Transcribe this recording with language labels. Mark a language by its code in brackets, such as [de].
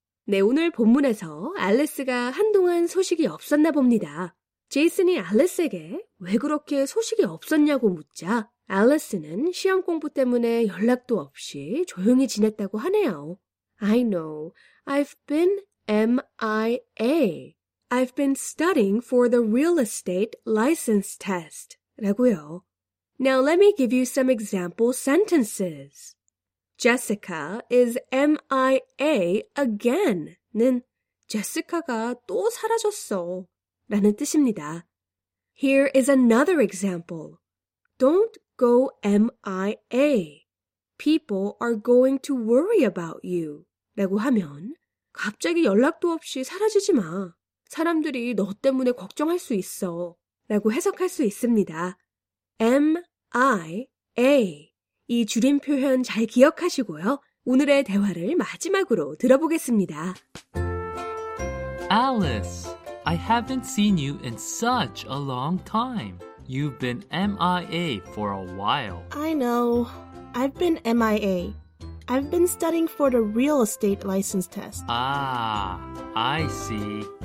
[ko] 네, 오늘 본문에서 알리스가 한동안 소식이 없었나 봅니다. 제이슨이 알리스에게 왜 그렇게 소식이 없었냐고 묻자 알리스는 시험 공부 때문에 연락도 없이 조용히 지냈다고 하네요. [en] I know. I've been MIA. I've been studying for the real estate license test. [ko] 라고요. [en] Now let me give you some example sentences. Jessica is MIA again. [ko] 는 제시카가 또 사라졌어. 라는 뜻입니다. [en] Here is another example. Don't go MIA. People are going to worry about you. [ko] 라고 하면 갑자기 연락도 없이 사라지지 마. 사람들이 너 때문에 걱정할 수 있어. 라고 해석할 수 있습니다. [en] MIA. [ko] 이 줄임 표현 잘 기억하시고요. 오늘의 대화를 마지막으로 들어보겠습니다. [en] Alice, I haven't seen you in such a long time. You've been MIA for a while. I know. I've been MIA. I've been studying for the real estate license test. Ah, I see.